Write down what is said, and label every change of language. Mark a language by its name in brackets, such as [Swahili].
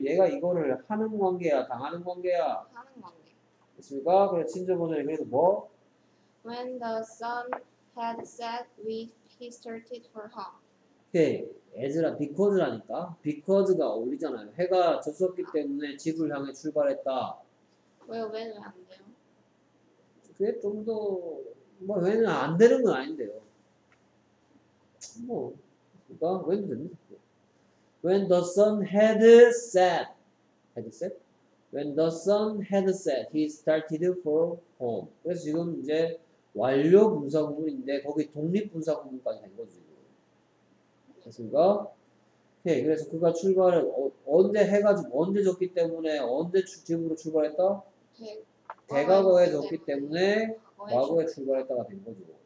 [Korean] 얘가 이거를 하는 관계야? 당하는 관계야? 하는 관계. 됐습니까? 그래, 친절 버전이 그래도 뭐? [English] When the sun had set, we he started for home. [Korean] 오케이. As라, because라니까? Because가 어울리잖아요. 해가 졌었기 때문에 집을 향해 출발했다. 왜, when 왜 안 돼요? 그게 좀 더, 뭐, when은 안 되는 건 아닌데요. 뭐, 그니까, when 됩니다. [English] When the sun had set, had set? When the sun had set, he started for home. [Korean] 그래서 지금 이제 완료 분사구문인데 거기 독립 분사구문까지 된 거지. 됐습니까? 오케이. 그래서 그가 출발을 언제 해가지고 언제 졌기 때문에 언제 집으로 출발했다? 대과거에 졌기 때문에 과거에 출발했다가 된 거죠.